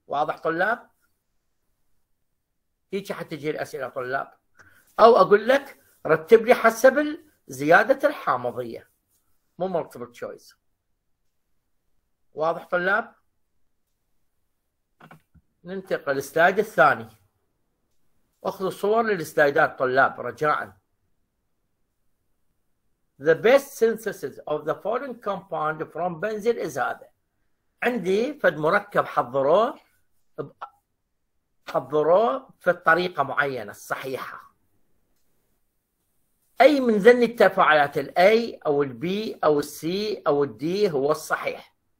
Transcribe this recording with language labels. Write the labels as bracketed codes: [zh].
[ar] واضح طلاب؟ هيك حتجي الأسئلة طلاب، أو أقول لك رتب لي حسب زيادة الحامضية مو multiple choice. واضح طلاب؟ ننتقل للسلايد الثاني. اخذوا صور للسلايدات طلاب رجاء. [en] The best synthesis of the foreign compound from benzene is [ar] هذا. عندي فد مركب حضروه في طريقه معينه الصحيحه. اي من ذني التفاعلات الاي او البي او السي او الدي هو الصحيح.